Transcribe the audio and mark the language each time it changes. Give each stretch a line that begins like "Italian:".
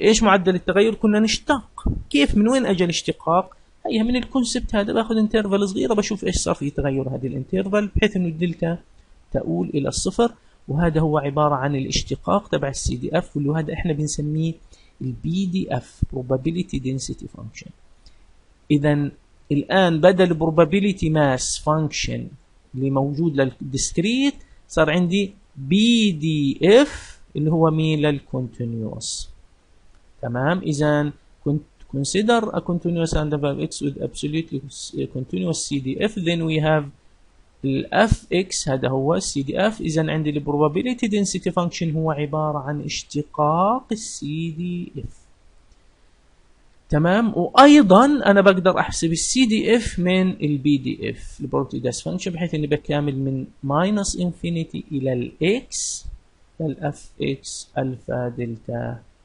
Arabic: ايش معدل التغير؟ كنا نشتق، كيف من وين اجى الاشتقاق؟ هي من الكونسبت هذا، باخذ انترفال صغيره بشوف ايش صار في تغير هذه الانترفال، بحيث انه الدلتا تؤول الى الصفر، وهذا هو عباره عن الاشتقاق تبع السي دي اف، واللي هذا احنا بنسميه البي دي اف probability density function. اذا الان بدل probability mass function اللي موجود للديسكريت، صار عندي بي دي اف اللي هو مين؟ للكونتينيوس، تمام. اذا
English: consider a continuous random variable x with absolutely continuous CDF, then we have the fx
Arabic: هذا هو
English: CDF.
Arabic: إذا عندي the probability density function هو عبارة عن اشتقاق CDF، تمام. وأيضا أنا بقدر أحسب CDF من ال BDF the probability density function، بحيث إني بكامل من minus infinity إلى ال x ال fx alpha delta.